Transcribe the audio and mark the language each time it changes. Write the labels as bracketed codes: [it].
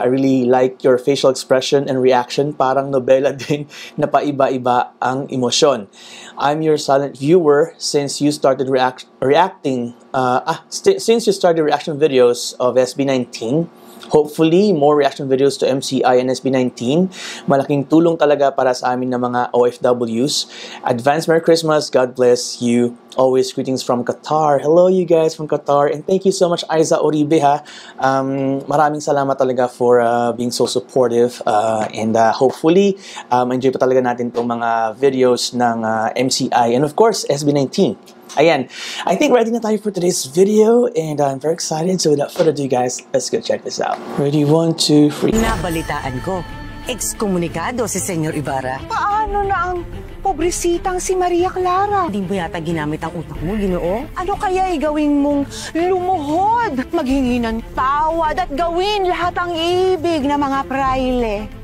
[en] I really like your facial expression and reaction. [tl] Parang nobela din na paiba-iba ang emosyon. [en] I'm your silent viewer since you started since you started reaction videos of SB19. Hopefully, more reaction videos to MCI and SB19. [tl] Malaking tulong talaga para sa amin na mga OFWs. [en] Advance Merry Christmas. God bless you. Always greetings from Qatar. Hello, you guys from Qatar. And thank you so much, Aiza Oribe. Ha? [tl] Maraming salamat talaga [en] for being so supportive. [tl] Hopefully, enjoy pa talaga natin itong mga videos ng MCI. [en] And of course, SB19. Ayan, I think ready [tl] na tayo [en] for today's video and I'm very excited. So without further ado guys, let's go check this out. Ready, 1, 2, 3. [tl] Nabalitaan ko, ekskomunikado si Señor Ibarra. Paano na ang pobresitang si Maria Clara? Hindi mo yata ginamit ang utak mo, Ginoo? Ano kaya igawing mong lumuhod? Maghingi ng tawad at gawin lahat ang ibig na mga praile.